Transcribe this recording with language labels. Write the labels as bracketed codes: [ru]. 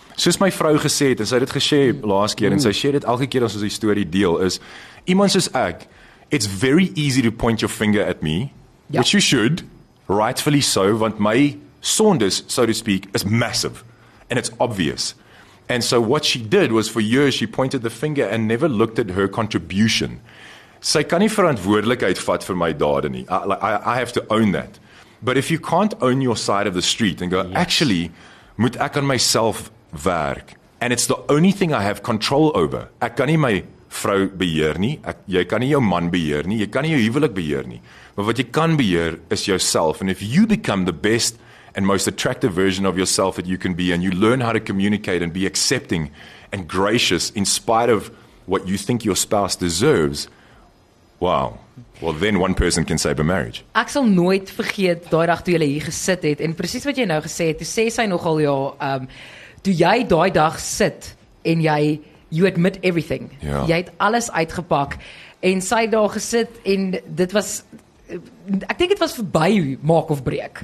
[af] Soos my vrou gesê het, en sy het dit gesê laas keer, en sy sê dit elke keer as ons die story deel, is iemand soos ek, [en] it's very easy to point your finger at me, which you should, rightfully so, [af] want my sondes, [en] so to speak, is massive, and it's obvious. And so what she did was for years, she pointed the finger and never looked at her contribution. [af] Sy kan nie verantwoordelikheid vat vir my dade nie. [en] I have to own that. But if you can't own your side of the street and go, actually, [af] moet ek aan myself werk. [en] And it's the only thing I have control over. [af] Ek kan nie my vrou beheer nie. Jy kan nie jou man beheer nie. Jy kan nie jou huwelik beheer nie. Maar wat jy kan beheer is jouself. [en] And if you become the best and most attractive version of yourself that you can be, and you learn how to communicate and be accepting and gracious in spite of what you think your spouse deserves, wow. Well, then one person can save a marriage. [af] Ek sal nooit vergeet daai dag toe jy hier gesit het, en presies wat jy nou gesê het, toe sê sy nogal toe jy daai dag sit en jy, [en] you admit everything. Yeah. [af] Jy het alles uitgepak en sy daar gesit en dit was, ek dink dit was verby maak of breek.